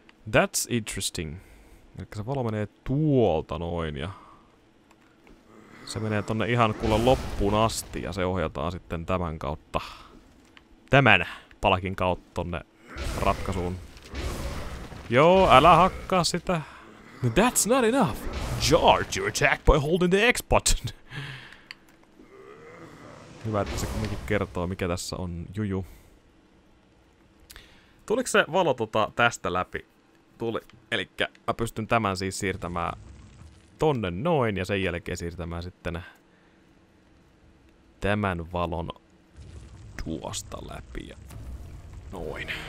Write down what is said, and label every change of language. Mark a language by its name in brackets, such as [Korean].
[English] That's interesting. [Finnish] Elikkä se valo menee tuolta noin ja se menee tonne ihan kuule loppuun asti ja se ohjataan sitten tämän kautta. Tämän palkin kautta tonne ratkaisuun. Joo, älä hakkaa sitä. [English] That's not enough. Charge your attack by holding the X button. [Finnish] Hyvä, että se kumminkin kertoo mikä tässä on juju. Tuliko se valo tästä läpi? Tuli. Elikkä mä pystyn tämän siis siirtämään tonne noin ja sen jälkeen siirtämään sitten tämän valon tuosta läpi ja noin.